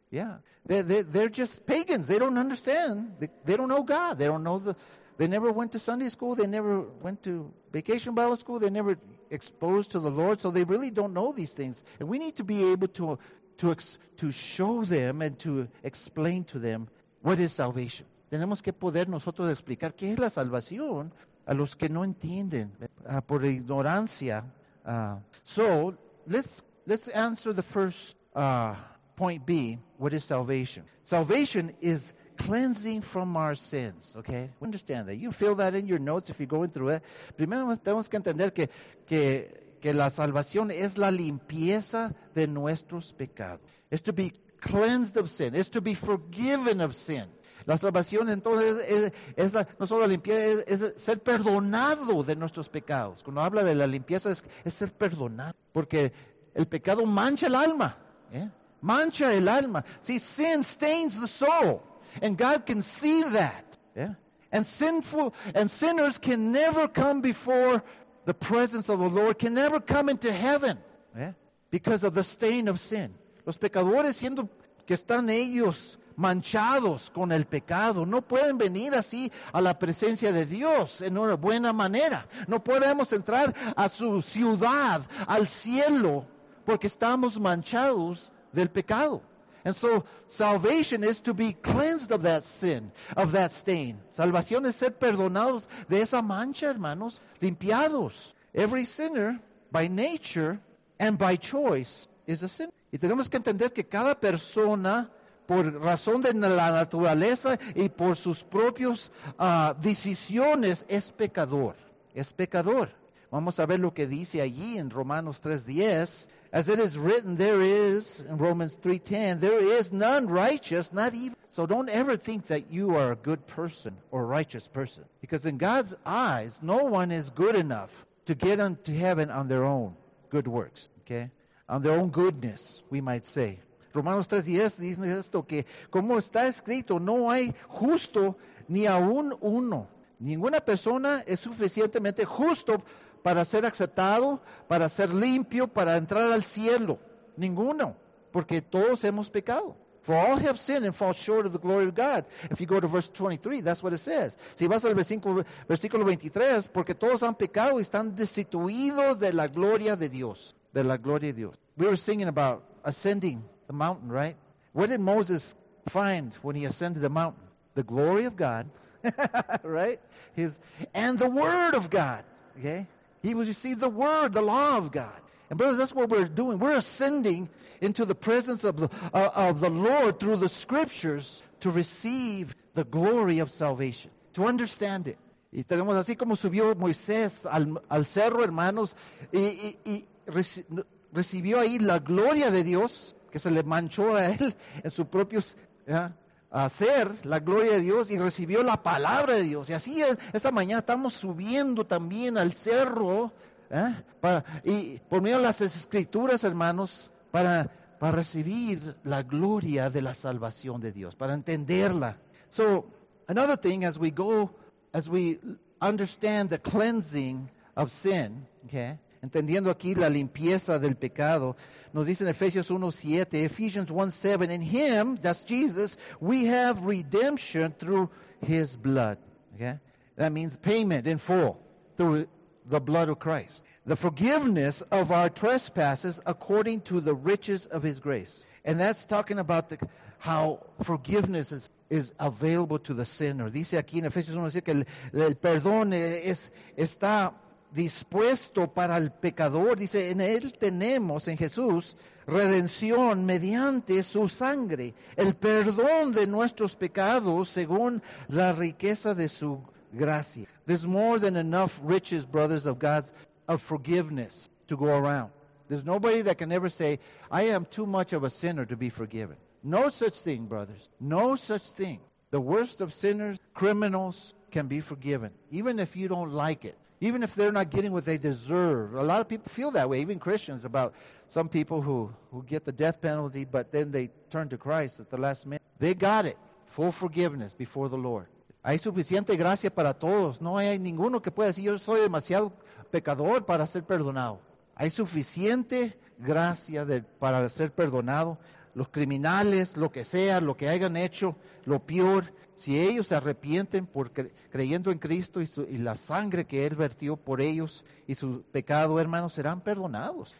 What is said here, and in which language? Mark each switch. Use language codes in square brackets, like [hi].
[en] Yeah, they're just pagans. They don't understand. They don't know God. They don't know They never went to Sunday school. They never went to vacation Bible school. They never exposed to the Lord. So they really don't know these things. And we need to be able to show them and to explain to them what is salvation. [es] Tenemos que poder nosotros explicar qué es la salvación a los que no entienden por ignorancia. [en] So let's answer the first point B. What is salvation? Salvation is cleansing from our sins. Okay, understand that. You feel that in your notes if you're going through it. [es] Primero tenemos que entender que la salvación es la limpieza de nuestros pecados. It's to be cleansed of sin. It's to be forgiven of sin. La salvación entonces es la, no solo la limpieza, es ser perdonado de nuestros pecados. Cuando habla de la limpieza es ser perdonado. Porque el pecado mancha el alma. ¿Eh? Mancha el alma. [en] See, sin stains the soul. And God can see that. ¿Eh? And sinners can never come before the presence of the Lord, can never come into heaven. ¿Eh? Because of the stain of sin. [es] Los pecadores siendo que están ellos manchados con el pecado, no pueden venir así a la presencia de Dios en una buena manera. No podemos entrar a su ciudad, al cielo, porque estamos manchados del pecado. And so salvation is to be cleansed of that sin, of that stain. Salvación es ser perdonados de esa mancha, hermanos, limpiados. [en] Every sinner by nature and by choice is a sinner. [es] Y tenemos que entender que cada persona por razón de la naturaleza y por sus propias decisiones, es pecador. Es pecador. Vamos a ver lo que dice allí en Romanos 3:10. [en] As it is written, there is, in Romans 3:10, there is none righteous, not even. So don't ever think that you are a good person or a righteous person. Because in God's eyes, no one is good enough to get into heaven on their own good works. Okay? On their own goodness, we might say. [es] Romanos 3:10 dice esto, que como está escrito, no hay justo ni aún uno. Ninguna persona es suficientemente justo para ser aceptado, para ser limpio, para entrar al cielo. Ninguno, porque todos hemos pecado. [en] For all have sinned and fall short of the glory of God. If you go to verse 23, that's what it says. [es] Si vas al versículo 23, porque todos han pecado y están destituidos de la gloria de Dios. De la gloria de Dios. [en] We were singing about ascending the mountain, right? What did Moses find when he ascended the mountain? The glory of God, right? And the word of God, okay? He was received the word, the law of God. And brothers, that's what we're doing. We're ascending into the presence of the Lord through the scriptures to receive the glory of salvation, to understand it. [es] Y tenemos así como subió Moisés al cerro, hermanos, y recibió ahí la gloria de Dios, que se le manchó a él en su propio hacer la gloria de Dios y recibió la palabra de Dios. Y así esta mañana estamos subiendo también al cerro y por medio de las escrituras, hermanos, para recibir la gloria de la salvación de Dios, para entenderla. [en] So, another thing as we understand the cleansing of sin, okay, [es] entendiendo aquí la limpieza del pecado, nos dice en Efesios [en] 1:7, Ephesians 1:7, in him, that's Jesus, we have redemption through his blood. Okay? That means payment in full through the blood of Christ. The forgiveness of our trespasses according to the riches of his grace. And that's talking about how forgiveness is available to the sinner. [es] Dice aquí en Efesios 1:7 que el perdón está dispuesto para el pecador. Dice, en él tenemos, en Jesús, redención mediante su sangre, el perdón de nuestros pecados según la riqueza de su gracia. [en] There's more than enough riches, brothers of God, of forgiveness to go around. There's nobody that can ever say, I am too much of a sinner to be forgiven. No such thing, brothers. No such thing. The worst of sinners, criminals, can be forgiven, even if you don't like it. Even if they're not getting what they deserve. A lot of people feel that way, even Christians, about some people who get the death penalty, but then they turn to Christ at the last minute. They got it. Full forgiveness before the Lord. [es] Hay suficiente gracia para todos. No hay ninguno que pueda decir, yo soy demasiado pecador para ser perdonado. Hay suficiente gracia para ser perdonado. los criminales, lo que sea, lo que hayan hecho, lo peor, si ellos se arrepienten por creyendo en Cristo y la sangre que Él vertió por ellos y su pecado, hermanos, serán perdonados.